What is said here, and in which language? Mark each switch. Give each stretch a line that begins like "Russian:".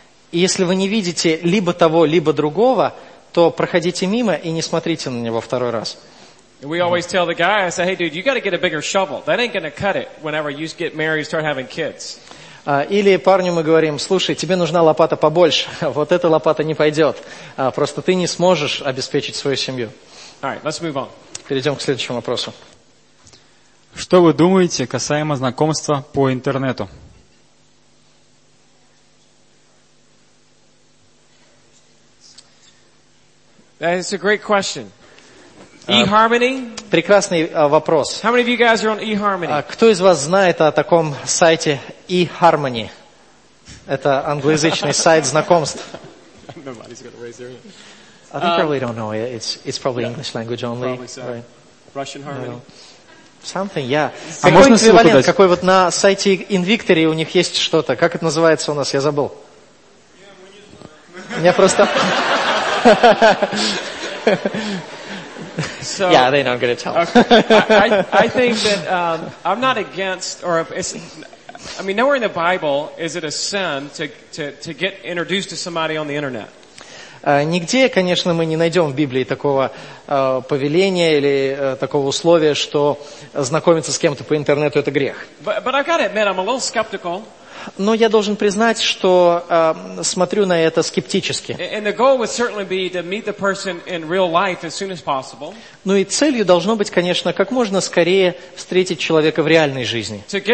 Russian: И если вы не видите либо того, либо другого, то проходите мимо и не смотрите на него второй раз.
English: We always tell the guy, I say, hey, dude, you got to get a bigger shovel. That ain't going to cut it whenever you get married, start having kids.
Russian: Или парню мы говорим, слушай, тебе нужна лопата побольше. Вот эта лопата не пойдет. Просто ты не сможешь обеспечить свою семью.
English: All right, let's move on.
Russian: Перейдем к следующему вопросу. Что вы думаете касаемо знакомства по интернету?
English: That's a great question. E-Harmony?
Russian: Прекрасный вопрос.
English: How many of you guys are on E-Harmony?
Russian: Кто из вас знает о таком сайте E-Harmony? Это англоязычный сайт знакомств.
English: Nobody's gonna raise their hand. I think probably don't know. It's probably English language only. Probably so. Right. Russian Harmony. No. Something, yeah.
Russian: Какой эквивалент? Какой вот на сайте InVictory у них есть что-то? Как это называется у нас? Я забыл. Я просто...
English: So, yeah, they know I'm going to tell. Okay. I think that I'm not against, or it's, I mean, nowhere in the Bible is it a sin to get introduced to somebody on the internet.
Russian: Нигде, конечно, мы не найдем в Библии такого повеления или такого условия, что знакомиться с кем-то по интернету это грех.
English: But I've got to admit, I'm a little skeptical.
Russian: Но я должен признать, что смотрю на это скептически. Ну и целью должно быть, конечно, как можно скорее встретить человека в реальной жизни.